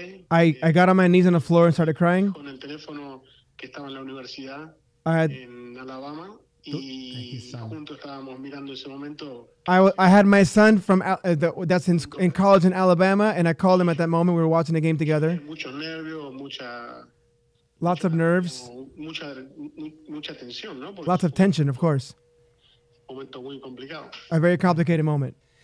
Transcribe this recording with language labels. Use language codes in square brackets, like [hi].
[en] I got on my knees on the floor and started crying. [es] Con el teléfono. Estaba en la universidad en Alabama y juntos estábamos mirando ese momento. [en] I had my son from that's in college in Alabama, and I called him at that moment. We were watching a game together. [es] Muchos nervios, [en] lots of nerves. [es] Mucha tensión, ¿no? [en] Lots of tension, of course. [es] Momento muy complicado. [en] A very complicated moment.